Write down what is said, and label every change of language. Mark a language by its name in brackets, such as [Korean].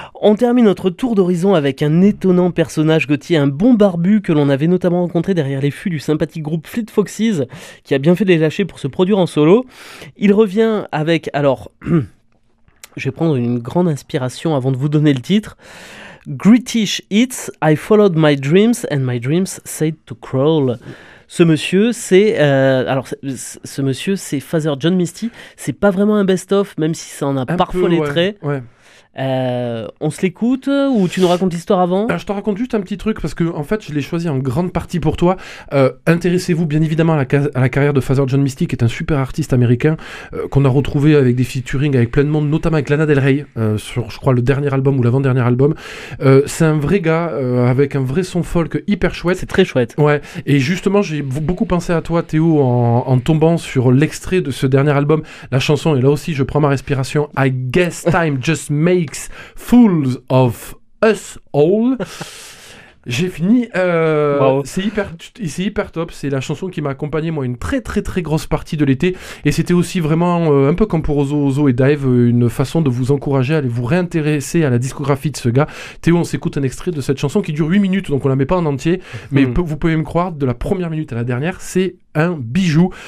[French] On termine notre tour d'horizon avec un étonnant personnage, Gauthier, un bon barbu que l'on avait notamment rencontré derrière les fûts du sympathique groupe Fleet Foxes, qui a bien fait de les lâcher pour se produire en solo. Il revient avec, alors, je vais prendre une grande inspiration avant de vous donner le titre. [English] British Hits, I Followed My Dreams and My Dreams Said to Crawl. [French] Ce monsieur, c'est alors ce monsieur, c'est Father John Misty. C'est pas vraiment un best-of, même si ça en a parfois les traits. Ouais. On se l'écoute ou tu nous racontes l'histoire avant? Je te raconte juste un petit truc parce que en fait, je l'ai choisi en grande partie pour toi. Intéressez-vous bien évidemment à la carrière de Father John Misty, qui est un super artiste américain qu'on a retrouvé avec des featuring avec plein de monde, notamment avec Lana Del Rey sur, je crois, le dernier album ou l'avant-dernier album. C'est un vrai gars avec un vrai son folk hyper chouette. C'est très chouette. Ouais. Et justement, j'ai beaucoup pensé à toi, Théo, en tombant sur l'extrait de ce dernier album, la chanson. Et là aussi, je prends ma respiration. [English] I guess time just made Fools of Us All. [French] J'ai fini. C'est hyper top. C'est la chanson qui m'a accompagné, moi, une très très très grosse partie de l'été. Et c'était aussi vraiment un peu comme pour Ozo Ozo et Dive, une façon de vous encourager à aller vous réintéresser à la discographie de ce gars. Théo, on s'écoute un extrait de cette chanson qui dure 8 minutes, donc on la met pas en entier. Mais vous pouvez me croire, de la première minute à la dernière, c'est un bijou.